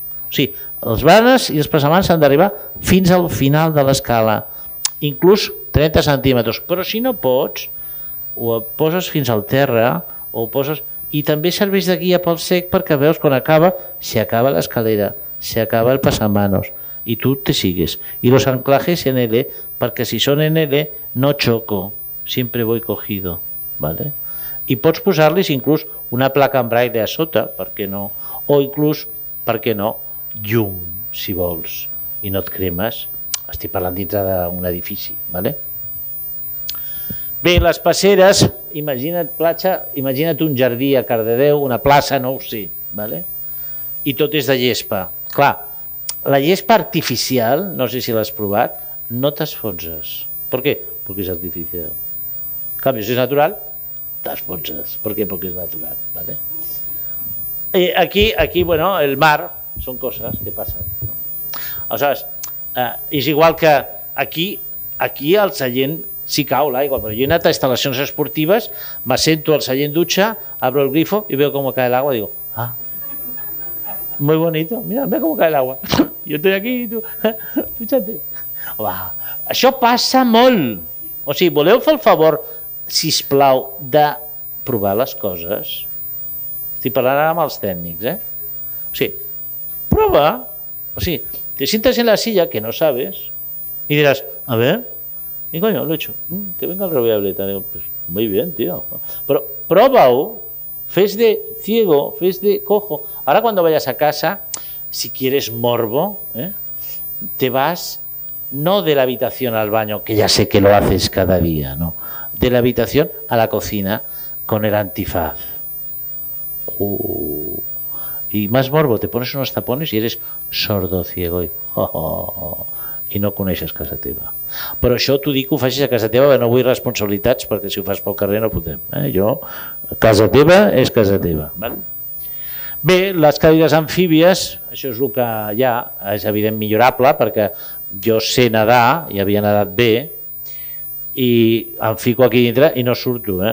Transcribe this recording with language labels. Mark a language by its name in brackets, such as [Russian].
[Catalan] O sigui, els baranes i els passamans han d'arribar fins al final de l'escala, inclús 30 centímetres, però si no pots, ho poses fins al terra o poses i també serveix de guia pel sec perquè veus quan acaba, si acaba l'escalera, si acaba el passamanos. [Spanish] Y tú te sigues. Y los anclajes en L, porque si son en L, no choco. Siempre voy cogido. ¿Vale? Y puedes posarles incluso una placa en braille [Catalan] a sota, [Spanish] ¿por qué no? O incluso, ¿por qué no? [Catalan] Llum, si vols. Y no et cremes. Estic parlant dintre d'un edifici. ¿Vale? Bé, les passeres, imagina't platja, imagina't un jardí a Cardedeu, una plaça, no ho sé. ¿Vale? I tot és de gespa. Clar, la gespa artificial, no sé si l'has provat, no t'esfonses. Per què? Perquè és artificial. En canvi, si és natural, t'esfonses. Per què? Perquè és natural. ¿Vale? I aquí, bueno, el mar, són coses que passen. No? Aleshores, és igual que aquí al seient s'hi cau l'aigua, però jo he anat a instal·lacions esportives, m'assento al seient dutxa, [Spanish] abro el grifo i veo com cae l'aigua i digo, ah, muy bonito, mira, mira cómo cae el agua. Yo estoy aquí y tú, fíjate. [Catalan] Uau, això passa molt. O sigui, voleu fer el favor, sisplau, de provar les coses? Estic parlant ara amb els tècnics, O sigui, prova. O sigui, [Spanish] te sientes en la silla que no sabes i diràs, a ver, i coño, lo he hecho. Que venga el reviable. Pues, muy bien, tío. [Catalan] Però prova-ho. Fes de ciego, fes de cojo. [Spanish] Ahora cuando vayas a casa, si quieres morbo, te vas no de la habitación al baño, que ya sé que lo haces cada día, ¿no? De la habitación a la cocina con el antifaz. ¡Oh! Y más morbo, te pones unos tapones y eres sordo, ciego y, oh, oh, oh, y [Catalan] no coneixes casa teva. Però això t'ho dic, ho facis a casa teva, no vull responsabilitats, perquè si ho fas pel carrer no podem. Jo, casa teva és casa teva. Val? Bé, les cadires amfíbies, això és el que hi ha, és evident millorable, perquè jo sé nedar, i havia nedat bé, i em fico aquí dintre i no surto.